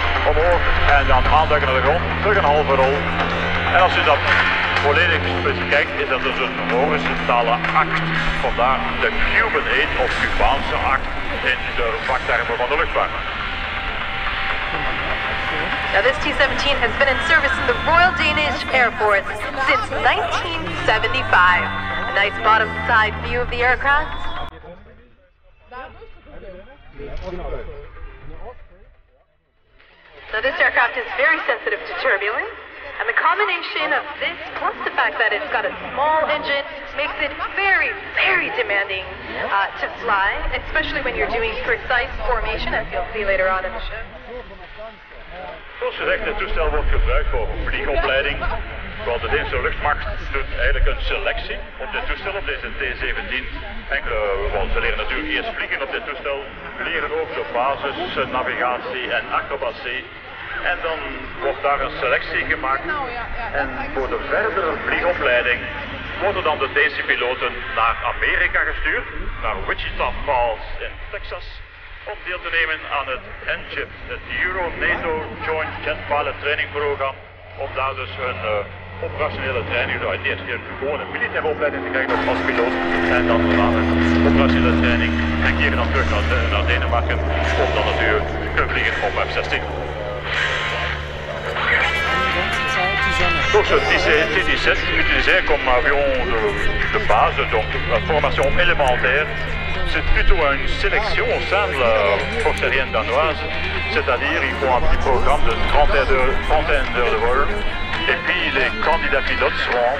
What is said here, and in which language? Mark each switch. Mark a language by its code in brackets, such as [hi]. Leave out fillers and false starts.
[nl] Omhoog en dan aanduiken naar de grond, terug een halve rol. En als u dat volledig bekijkt, is dat dus een horizontale act. Vandaar de Cuban 8 of Cubaanse act in de vaktermen van de luchtvaart. [en] Now this T-17 has been in service in the Royal Danish Air Force since 1975. A nice bottom side view of the aircraft. Now this aircraft is very sensitive to turbulence, and the combination of this plus the fact that it's got a small engine makes it very, very demanding to fly, especially when you're doing precise formation, as you'll see later on in the show. [nl] Zoals gezegd, het toestel wordt gebruikt voor vliegopleiding. Want de Deense luchtmacht doet eigenlijk een selectie op dit toestel, op deze T-17. Enkele van ze leren natuurlijk eerst vliegen op dit toestel, leren ook de basis, navigatie en acrobatie. En dan wordt daar een selectie gemaakt. En voor de verdere vliegopleiding worden dan de Deense piloten naar Amerika gestuurd, naar Wichita Falls in Texas. Om deel te nemen aan het ENJIP, het Euro-NATO Joint Jet Pilot Training Program, om daar dus een operationele training, dus eerst een gewone militaire opleiding te krijgen als piloot, en dan een operationele training en keer dan terug naar Denemarken, om dan natuurlijk te vliegen op F-16. [fr] Donc, ce T-17 utilisé comme avion de base, donc la formation élémentaire, c'est plutôt une sélection au sein de la force aérienne danoise, c'est-à-dire ils font un petit programme de 30 heures de vol, et puis les candidats pilotes seront...